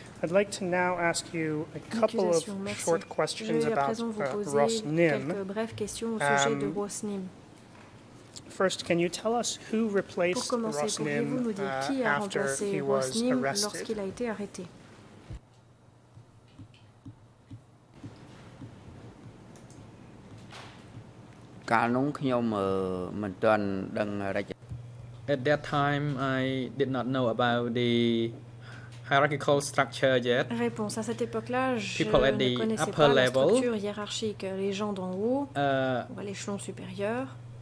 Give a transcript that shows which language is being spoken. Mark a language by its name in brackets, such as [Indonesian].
[English] I'd like to now ask you a couple of short questions about [French] Ross Nim. Quelques brèves questions au sujet de Ross Nim. [English] First, can you tell us who replaced Rosnin after he was arrested? At that time, I did not know about the hierarchical structure yet. [French] Réponse à cette époque-là, je ne connaissais pas la structure hiérarchique. Les gens d'en haut, ou à l'échelon supérieur,